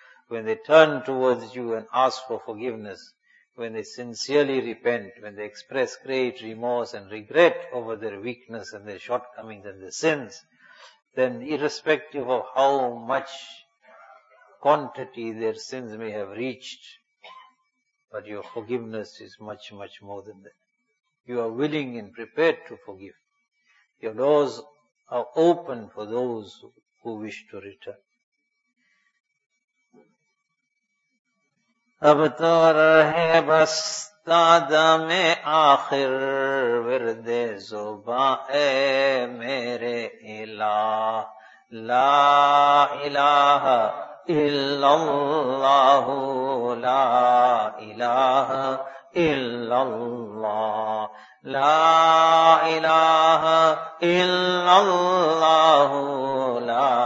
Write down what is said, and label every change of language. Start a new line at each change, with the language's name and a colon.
English: When they turn towards you and ask for forgiveness, when they sincerely repent, when they express great remorse and regret over their weakness and their shortcomings and their sins, then irrespective of how much quantity their sins may have reached, but your forgiveness is much, much more than that. You are willing and prepared to forgive. Your doors are open for those who wish to return.
Urdu: اب تو رہے بس تادم آخر ورد زباں اے میرے الہ، لا الہ الا اللہ لا الہ الا اللہ لا الہ الا اللہ لا